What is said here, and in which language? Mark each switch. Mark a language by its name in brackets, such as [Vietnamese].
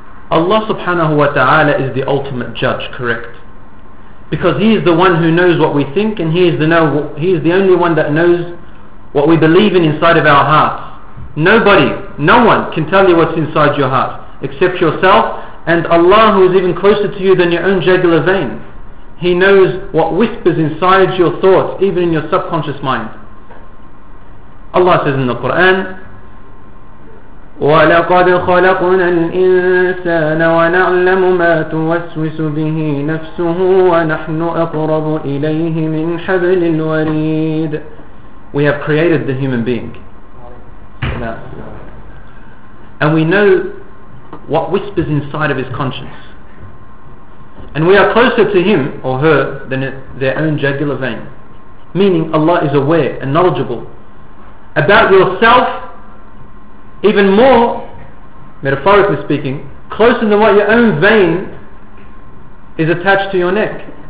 [English] Allah subhanahu wa ta'ala is the ultimate judge, correct? Because he is the one who knows what we think, and he is the only one that knows what we believe in inside of our hearts. Nobody, no one can tell you what's inside your heart except yourself and Allah, who is even closer to you than your own jugular vein. He knows what whispers inside your thoughts, even in your subconscious mind. Allah says in the Quran, [Arabic] وَلَقَدْ خَلَقْنَا الْإِنسَانَ وَنَعْلَمُ مَا تُوَسْوِسُ بِهِ نَفْسُهُ وَنَحْنُ أَقْرَبُ إِلَيْهِ مِنْ حَبْلِ الْوَرِيدِ. [English] We have created the human being. And we know what whispers inside of his conscience. And we are closer to him or her than their own jugular vein. Meaning Allah is aware and knowledgeable about yourself, even more, metaphorically speaking, closer than what your own vein is attached to your neck.